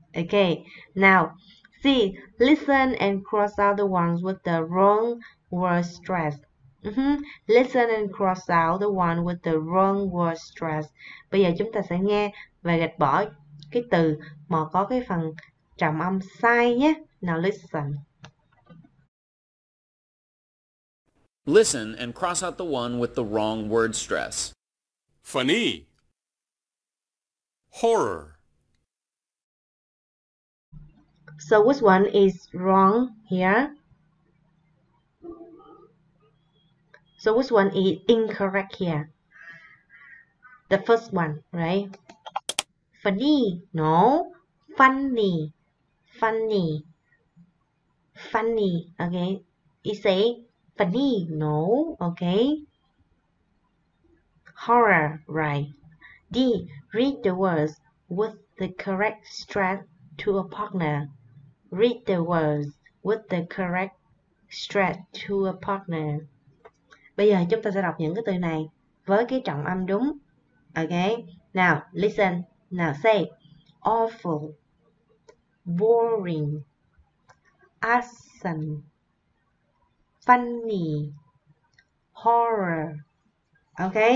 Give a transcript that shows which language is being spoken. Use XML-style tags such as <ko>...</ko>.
<en>Ok, now see, listen and cross out the ones with the wrong word stress. Listen and cross out the one with the wrong word stress.</en> <vi>Bây giờ chúng ta sẽ nghe và gạch bỏ cái từ mà có cái phần trọng âm sai nhé.</vi> <en>Now listen. Listen and cross out the one with the wrong word stress. Funny. Horror. So which one is wrong here? So which one is incorrect here? The first one, right? Funny, no. Funny, funny, funny. Okay. You say funny, no. Okay. Horror, right? D. Read the words with the correct stress to a partner. Read the words with the correct stress to a partner.</en> <vi>Bây giờ chúng ta sẽ đọc những cái từ này với cái trọng âm đúng.</vi> <en>Ok. Now, listen. Now, say. Awful. Boring. Absent. Funny. Horror. Ok.</en>